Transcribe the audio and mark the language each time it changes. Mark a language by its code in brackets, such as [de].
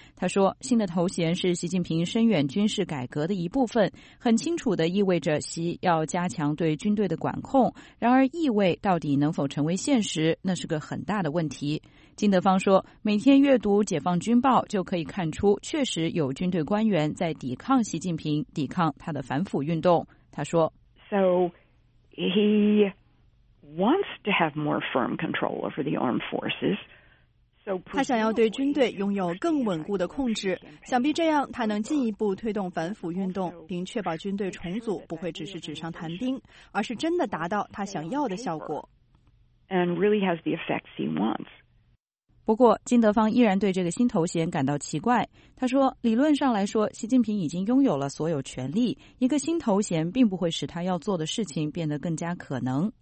[zh] 他说，新的头衔是习近平深远军事改革的一部分，很清楚地意味着习要加强对军队的管控，然而意味到底能否成为现实，那是个很大的问题。金德芳说，每天阅读解放军报就可以看出，确实有军队官员在抵抗习近平，抵抗他的反腐运动。他说 [en] ,So, he... wants to have more firm control over the armed forces. [zh] 他想要对军队拥有更稳固的控制，想必这样他能进一步推动反腐运动，并确保军队重组不会只是纸上谈兵，而是真的达到他想要的效果。 [en] And really has the effects he wants. [zh] 不过金德芳依然对这个新头衔感到奇怪。他说，理论上来说，习近平已经拥有了所有权力，一个新头衔并不会使他要做的事情变得更加可能。